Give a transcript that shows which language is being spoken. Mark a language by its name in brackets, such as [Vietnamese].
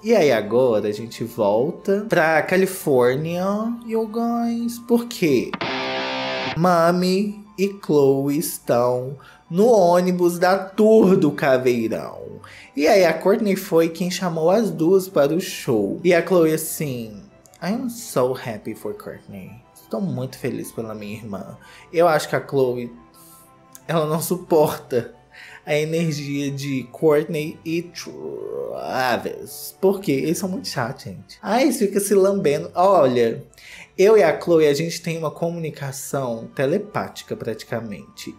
[Portuguese] E aí agora a gente volta pra Califórnia. [English] You guys, [Portuguese] por quê? Mami e Chloe estão no ônibus da Tour do Caveirão. E aí a Courtney foi quem chamou as duas para o show. E a Chloe assim, [English] I'm so happy for Courtney. [Portuguese] Estou muito feliz pela minha irmã. Eu acho que a Chloe, ela não suporta a energia de Courtney e Travis. Por quê? Eles são muito chatos, gente. Ah, eles ficam se lambendo. Olha, eu e a Chloe, a gente tem uma comunicação telepática praticamente.